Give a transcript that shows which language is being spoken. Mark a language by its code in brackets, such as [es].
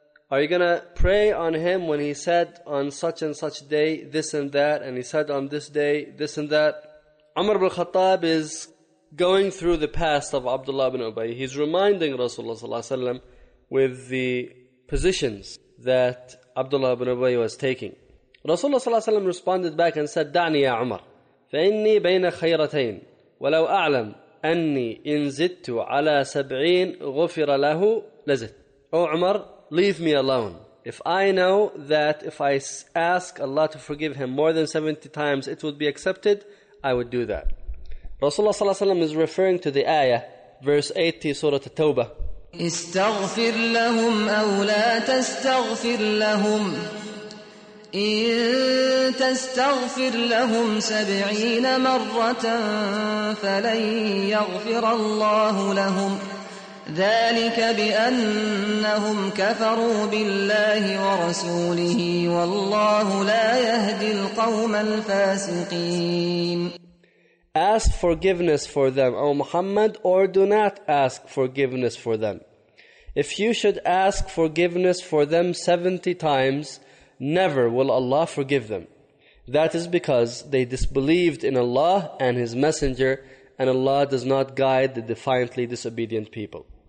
[en] Are you going to pray on him when he said on such and such day this and that, and he said on this day this and that? Umar ibn al-Khattab is going through the past of Abdullah ibn Ubay. He's reminding Rasulullah sallallahu alayhi wa sallam with the positions that Abdullah ibn Ubay was taking. Rasulullah sallallahu alayhi wa sallam responded back and said, [ar] دعني يا عمر فإني بين خيرتين ولو أعلم أني إن زدت على سبعين غفر له لزد. [en] Oh Umar, leave me alone. If I know that if I ask Allah to forgive him more than 70 times it would be accepted, I would do that. Rasulullah sallallahu alayhi wa sallam is referring to the ayah, verse 80, Surah At-Tawbah. [ar] استغفر لهم أو لا تستغفر لهم إن تستغفر لهم سبعين مرة فلن يغفر الله لهم ذلك بأنهم كفروا بالله ورسوله والله لا يهدي القوم الفاسقين. [en] Ask forgiveness for them, O Muhammad, or do not ask forgiveness for them. If you should ask forgiveness for them 70 times, never will Allah forgive them. That is because they disbelieved in Allah and His Messenger, and Allah does not guide the defiantly disobedient people.